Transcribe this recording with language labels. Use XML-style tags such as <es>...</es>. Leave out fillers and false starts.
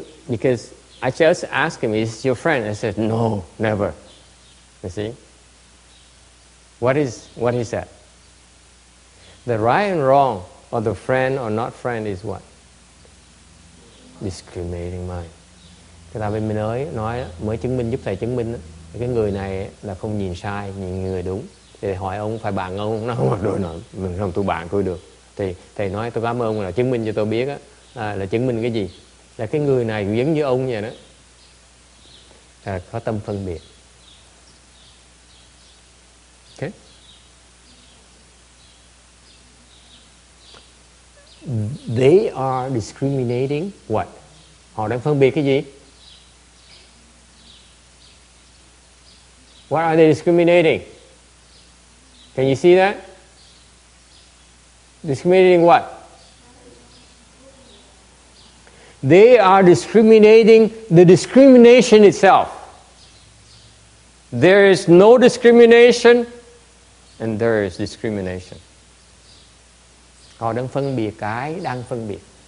<en>Because I just asked him, is your friend? I said, no, never. You see? What he said? The right and wrong, or the friend or not friend, is what? Discriminating mind.</en> <vi>Thế là bên mình mới chứng minh, giúp thầy chứng minh đó. Cái người này là không nhìn sai, nhìn người đúng. Thì hỏi ông, phải bạn ông, nó không mặc đồ nữa, mình không tu bạn tôi được. Thì thầy nói, tôi cảm ơn ông là chứng minh cho tôi biết đó, là chứng minh cái gì? Là cái người này giống như ông vậy đó, là có tâm phân biệt. Ok.</vi> <en>They are discriminating what?</en> <vi>Họ đang phân biệt cái gì?</vi> <en>What are they discriminating? Can you see that? Discriminating what? They are discriminating the discrimination itself. There is no discrimination and there is discrimination.</en> <vi>Họ đang phân biệt cái đang phân biệt.</vi>